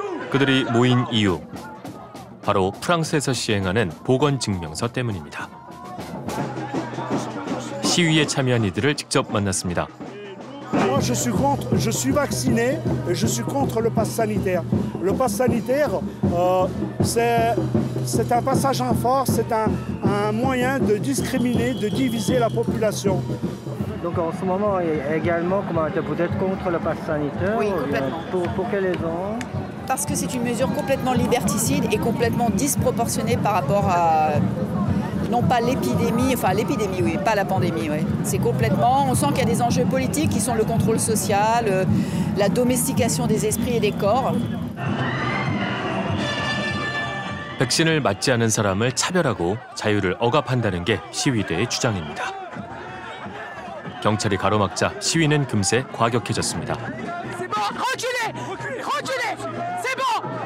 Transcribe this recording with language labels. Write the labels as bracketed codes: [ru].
[ko] 그들이 모인 이유, 바로 프랑스에서 시행하는 보건증명서 때문입니다. 시위에 참여한 이들을 직접 만났습니다. [fr] Je suis contre, je suis vacciné et je suis contre le pass sanitaire. Le pass sanitaire, c'est un passage en force, c'est un moyen de discriminer, de diviser la population. Donc en ce moment également, comment vous êtes contre le pass sanitaire? Oui, complètement. Pour quelle raison? Parce que c'est une mesure complètement liberticide et complètement disproportionnée par rapport à... Non, pas l'épidémie, enfin l'épidémie, oui, pas la pandémie, oui. C'est complètement... On sent qu'il y a des enjeux politiques qui sont le contrôle social, la domestication des esprits et des corps. [ko] 백신을 맞지 않은 사람을 차별하고 자유를 억압한다는 게 시위대의 주장입니다. 경찰이 가로막자 시위는 금세 과격해졌습니다. [fr] C'est bon, reculez, reculez, c'est bon.